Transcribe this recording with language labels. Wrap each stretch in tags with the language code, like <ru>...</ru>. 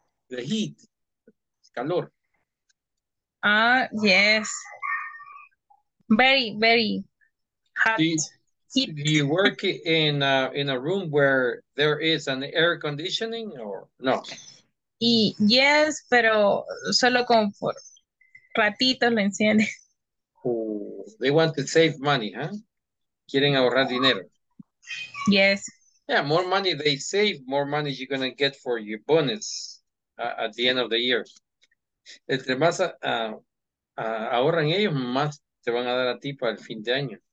<en>The heat. Calor. Yes. Very, very hot. Do you work in a room where there is an air conditioning or no?</en> <es>Y yes, pero solo con por ratitos lo enciende.</es> <en>Oh, they want to save money, huh?</en> <es>Quieren ahorrar dinero.</es> <en>Yes. Yeah, more money they save, more money you're going to get for your bonus at the end of the year.</en> <es>Entre más ahorran ellos, más te van a dar a ti para el fin de año.</es>